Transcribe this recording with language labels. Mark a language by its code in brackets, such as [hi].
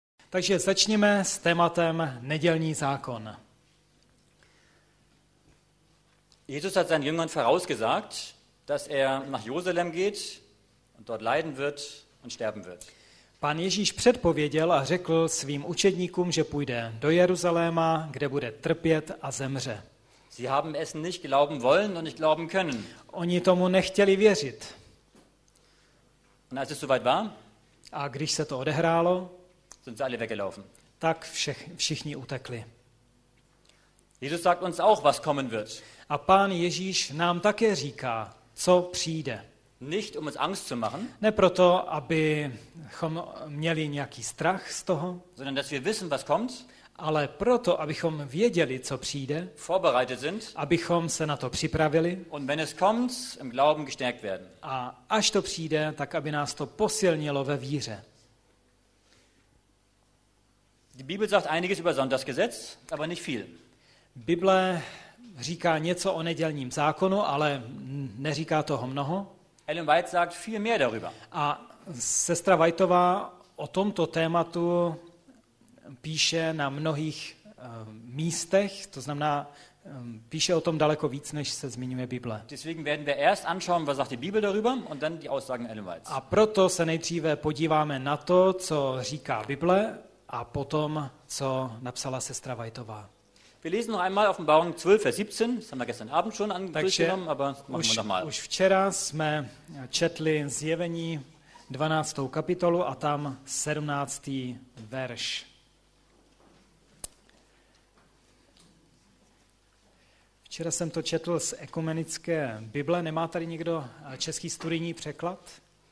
[cs] Takže začněme s tématem nedělní zákon. [de] Jesus hat seinen Jüngern vorausgesagt, dass nach Jerusalem geht und dort leiden wird und sterben wird. [cs] Pán Ježíš předpověděl a řekl svým učedníkům, že půjde do Jeruzaléma, kde bude trpět a zemře. [de] Sie haben es nicht glauben wollen und nicht glauben können. [cs] Oni tomu nechtěli věřit. [de] Und als es soweit war, [cs] a když se to odehrálo, [de] sind sie alle weggelaufen. [cs] Tak všichni utekli. [de] Jesus sagt uns auch, was kommen wird. [cs] A Pán Ježíš nám také říká, co přijde. [de] Nicht um uns Angst zu machen, [cs] ne proto, abychom měli nějaký strach z toho, [de] sondern dass wir wissen, was kommt, [cs] ale proto, abychom věděli, co přijde, [de] vorbereitet sind, [cs] abychom se na to připravili, [de] und wenn es kommt, im Glauben gestärkt werden. [cs] A až to přijde, tak aby nás to posilnilo ve víře. [de] Die Bibel sagt einiges über Sonntagsgesetz, aber nicht viel. [cs] Bible říká něco o nedělním zákonu, ale neříká toho mnoho. [de] Ellen White sagt viel mehr darüber. [cs] A sestra Whiteová o tomto tématu píše na mnohých místech, to znamená, píše o tom daleko víc, než se zmiňuje Bible. [de] Deswegen werden wir erst anschauen, was sagt die Bibel darüber und dann die Aussagen Ellen White. [cs] A proto se nejdříve podíváme na to, co říká Bible, a potom, co napsala sestra Whiteová. [de] Wir lesen noch einmal Offenbarung 12, Vers 17. Das haben wir gestern Abend schon angeschaut, aber machen wir nochmal. [cs] Už včera jsme četli Zjevení 12. kapitolu a tam 17. verš. Včera jsem to četl z ekumenické Bible. Nemá tady někdo český studijní překlad?